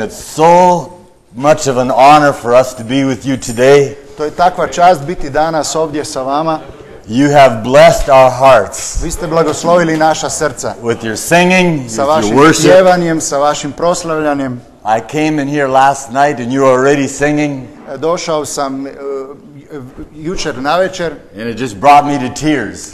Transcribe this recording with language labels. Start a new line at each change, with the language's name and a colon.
English: It's so much of an honor for us to be with you today.
Croatian: To je takva čast biti danas ovdje sa vama.
English: You have blessed our hearts.
Croatian: Vi ste blagoslovili naša srca.
English: With your singing,
Croatian: sa
English: with your worship.
Croatian: Sa vašim pjevanjem, sa vašim proslavljanjem.
English: I came in here last night and you were already singing.
Croatian: Došao sam jučer na večer.
English: And it just brought me to tears.